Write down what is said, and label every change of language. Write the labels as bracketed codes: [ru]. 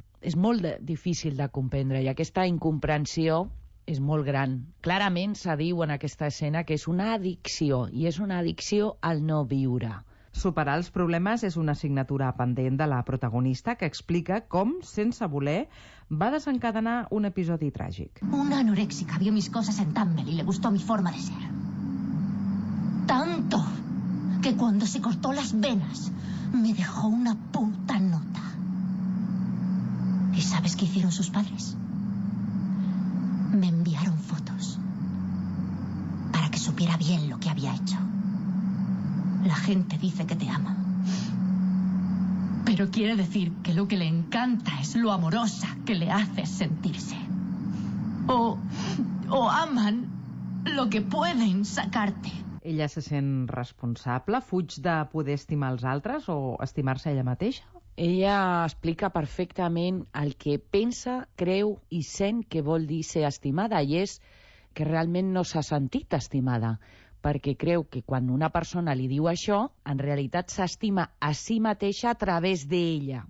[ca] És molt difícil de comprendre i aquesta incomprensió és molt gran. Clarament se diu en aquesta escena que és una addicció i és una addicció al no viure. Superar els problemes és una assignatura pendent de la protagonista que explica com, sense voler, va desencadenar un episodi tràgic. [es] Una anorèxica vio mis cosas en Tumblr y le gustó mi forma de ser. Tanto que cuando se cortó las venas me dejó una puta nota. ¿Y sabes qué hicieron sus padres? Me enviaron fotos para que supiera bien lo que había hecho. La gente dice que te ama, pero quiere decir que lo que le encanta es lo amorosa que le haces sentirse. O aman lo que pueden sacarte. [ca] Ella se sent responsable, fuig de poder estimar els altres o estimar-se ella mateixa. Ella explica perfectament el que pensa, creu i sent que vol dir ser estimada i és que realment no s'ha sentit estimada, perquè creu que quan una persona li diu això, en realitat s'estima a si mateixa a través d'ella.